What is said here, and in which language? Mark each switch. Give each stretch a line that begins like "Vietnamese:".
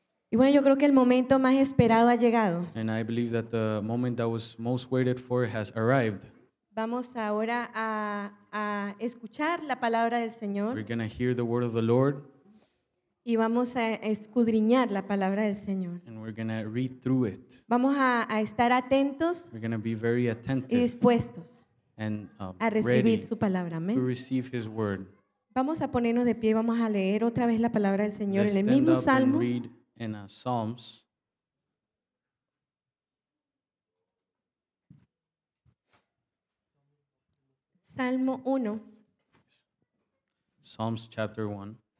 Spanish: Y bueno, yo creo que el momento más esperado ha llegado.
English: And I believe that the moment that was most waited for has arrived.
Spanish: Vamos ahora a escuchar la palabra del Señor.
English: We're going to hear the word of the Lord.
Spanish: Y vamos a escudriñar la palabra del Señor.
English: And we're going to read through it.
Spanish: Vamos a estar atentos.
English: We're going to be very attentive.
Spanish: Y dispuestos.
English: And
Spanish: a recibir su palabra. Amen.
English: To receive his word.
Spanish: Vamos a ponernos de pie y vamos a leer otra vez la palabra del Señor.
English: Let's
Spanish: en el mismo salmo.
English: Let's stand up and read in Psalms.
Spanish: Salmo 1.
English: Psalms chapter 1.